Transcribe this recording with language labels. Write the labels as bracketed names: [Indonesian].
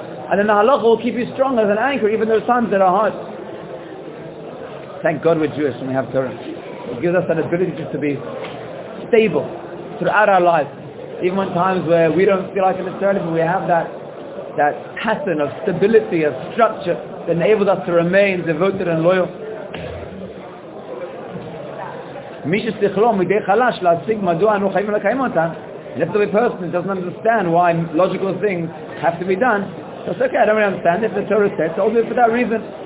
[English] And then the halacha will keep you strong as an anchor, even those times that are hard. Thank God we're Jewish and we have Torah. It gives us that ability just to be stable throughout our lives. Even in times where we don't feel like it necessarily, but we have that pattern of stability, of structure, that enables us to remain devoted and loyal. [Hebrew] מי ששכלו מדי חלש להשיג מדוע אנו חיים ולקיים אותם, [English] left of a person who doesn't understand why logical things have to be done, that's okay, I don't really understand if the Torah says, I'll do it for that reason.